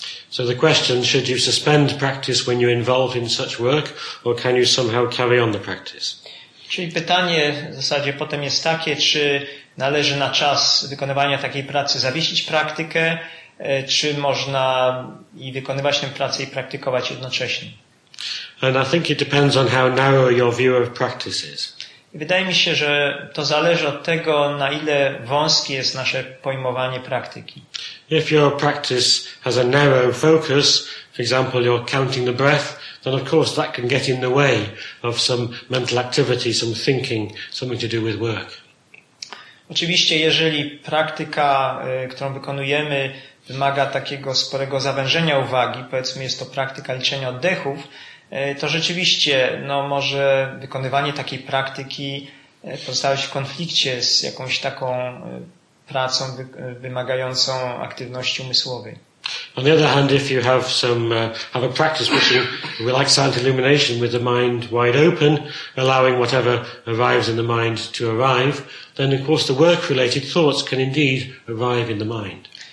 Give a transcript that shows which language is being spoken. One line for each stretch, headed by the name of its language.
English: So the question, should you suspend practice when you're involved in such work, or can you somehow carry on the practice?
Polish: Czyli pytanie w zasadzie potem jest takie, czy należy na czas wykonywania takiej pracy zawiesić praktykę, czy można i wykonywać tę pracę i praktykować jednocześnie.
English: And I think it depends on how narrow your view of practice is.
Polish: Wydaje mi się, że to zależy od tego, na ile wąskie jest nasze pojmowanie praktyki.
English: If your practice has a narrow focus, for example, you're counting the breath, then of course that can get in the way of some mental activity, some thinking, something to do with work.
Polish: Oczywiście, jeżeli praktyka, którą wykonujemy, wymaga takiego sporego zawężenia uwagi, powiedzmy jest to praktyka liczenia oddechów, to rzeczywiście no, może wykonywanie takiej praktyki pozostawać w konflikcie z jakąś taką pracą wymagającą aktywności umysłowej.
English: On the other hand, if you have some have a practice which you would like silent illumination with the mind wide open, allowing whatever arrives in the mind to arrive, then of course the work related thoughts can indeed arrive in the mind.